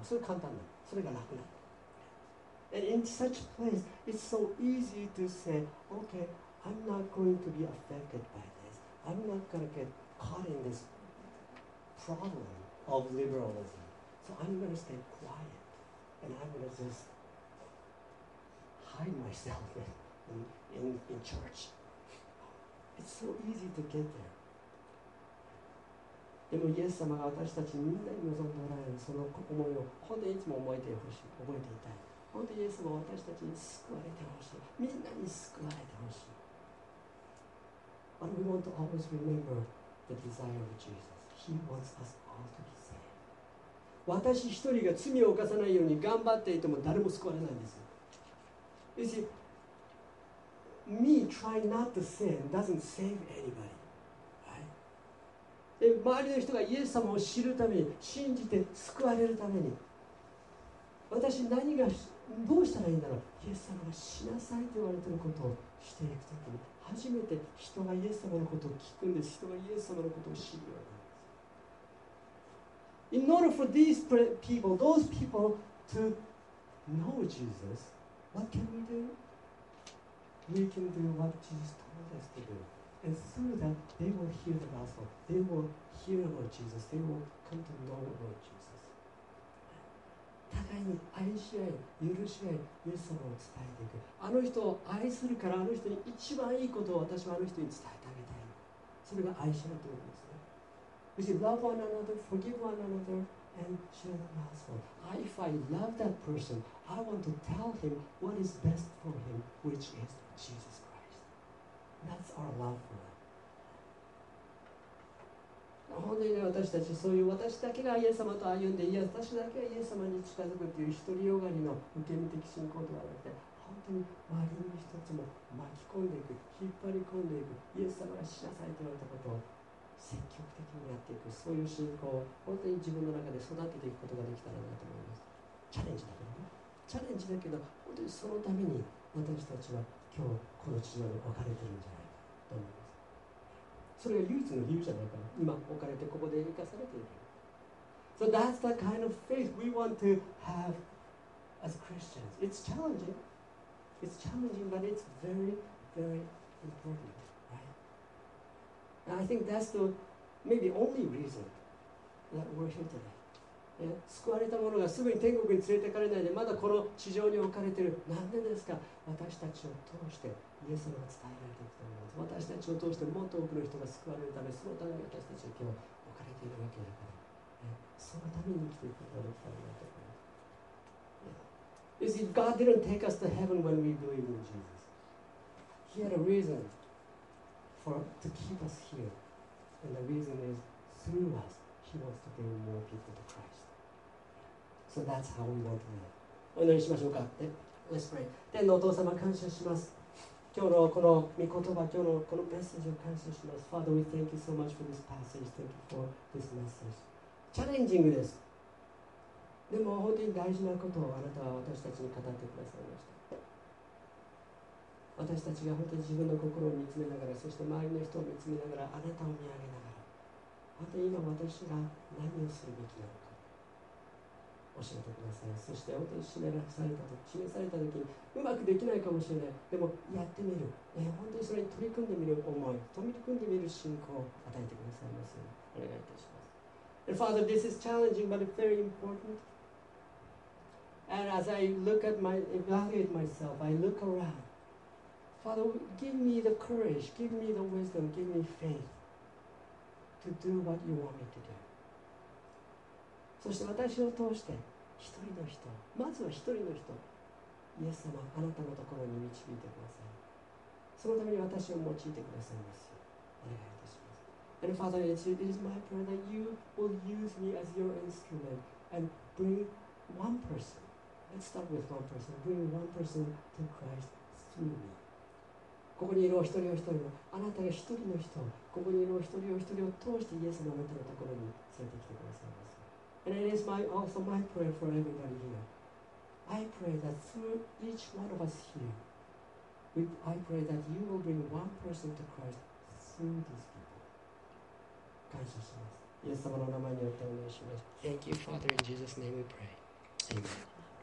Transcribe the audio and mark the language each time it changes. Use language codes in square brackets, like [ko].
[ja] それ簡単だ。それが楽だ。 [en] And in such place, it's so easy to say, okay, I'm not going to be affected by this. I'm not going to get caught in this problem of liberalism. So I'm going to stay quiet and I'm going to just hide myself in church. It's so easy to get there. [ja] でもイエス様が私たちみんなに望んでおられるその思いを本当にいつも覚えてほしい、覚えていたい。本当にイエス様は私たちに救われてほしい、みんなに救われてほしい。 [en] We want to always remember the desire of Jesus. He wants us all to be saved. [ja] 私一人が罪を犯さないように頑張っていても誰も救われないんです。 [en] You see, me trying not to sin doesn't save anybody. [ja] 周りの人がイエス様を知るために信じて救われるために私何がどうしたらいいんだろう。イエス様が死なさいと言われていることをしていくときに初めて人がイエス様のことを聞くんです。人がイエス様のことを知るようになるんです。 [en] In order for these people, those people to know Jesus, what can we do? We can do what Jesus told us to dodo. And through that, they will hear the gospel. They will hear about Jesus. They will come to know about Jesus. [ja] 互いに愛し合い、許し合い、イエス様を伝えていく。あの人を愛するから、あの人に一番いいことを私はあの人に伝えてあげたい。それが愛し合いということですね。 [en] You see, love one another, forgive one another, and share the gospel. If I love that person, I want to tell him what is best for him, which is Jesus. That's our love for us. [ja] 本当に、ね、私たちそういう私だけがイエス様と歩んで、いや私だけがイエス様に近づくという独りよがりの受け身的信仰ではなくて、本当に周りの人たちも巻き込んでいく、引っ張り込んでいく、イエス様が死なされておられたことを積極的にやっていく、そういう信仰を本当に自分の中で育てていくことができたらなと思います。チャレンジだけどね。チャレンジだけど、本当にそのために私たちは今日この地上に置かれているんじゃないかと思います。それが唯一の理由じゃないかな。今置かれてここで生かされている。 [en] So that's the kind of faith we want to have as Christians. It's challenging. It's challenging, but it's very, very important, right? And I think that's the maybe only reason that we're here today. [ja] 救われた者がすぐに天国に連れてかれないでまだこの地上に置かれている、なんでですか。私たちを通してイエス様が伝えられていくと思います。私たちを通してもっと多くの人が救われるため、そのために私たちは今日置かれているわけだから、そのために生きていくことができたらなと思います。 [en] You see, God didn't take us to heaven when we believed in Jesus. He had a reason for to keep us here, and the reason is through usHe wants to bring more people to Christ. So that's how we want to live. [ja] お祈りしましょうか。 [en] Let's pray. [ja] 天のお父様、感謝します。今日のこの御言葉、今日のこのメッセージを感謝します。 [en] Father, we thank you so much for this passage. Thank you for this message. [ja] チャレンジングです。でも本当に大事なことをあなたは私たちに語ってくださいました。私たちが本当に自分の心を見つめながら、そして周りの人を見つめながら、あなたを見上げながら、また今私が何をするべきなのか教えてください。そして本当に示されたときにうまくできないかもしれない、でもやってみる、本当にそれに取り組んでみる思い、取り組んでみる信仰を与えてくださいますようにお願いいたします。 [en] And Father, this is challenging but very important. And as I look at my, evaluate myself, I look around. Father, give me the courage, give me the wisdom, give me faithto do what you want me to do. [ja] そして私を通して一人の人、まずは一人の人、イエス様、あなたのところに導いてください。そのために私を用いてくださいますよ、お願いいたします。 [en] And Father, it is my prayer that you will use me as your instrument and bring one person, let's start with one person, bring one person to Christ through me. [ja] ここにいるお一人お一人を、あなたが一人の人、ここにいるお一人お一人を通してイエス様のところに連れてきてくださいます。 [en] And it is my, also my prayer for everybody here. I pray that through each one of us here, I pray that you will bring one person to Christ through these people. [ja] 感謝します。イエス様の名前によってお願いします。 [en] Thank you, Father, in Jesus' name we pray. Amen.